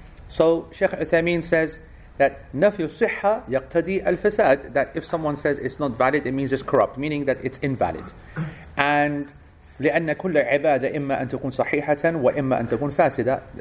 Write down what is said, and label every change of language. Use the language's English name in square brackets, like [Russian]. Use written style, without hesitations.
[English] So Sheikh Uthaymeen says that [Arabic] نفي الصحة يقتضي الفساد. [English] That if someone says it's not valid, it means it's corrupt, meaning that it's invalid. And [Arabic] لأن كل عبادة إما أن تكون صحيحة وإما أن تكون فاسدة.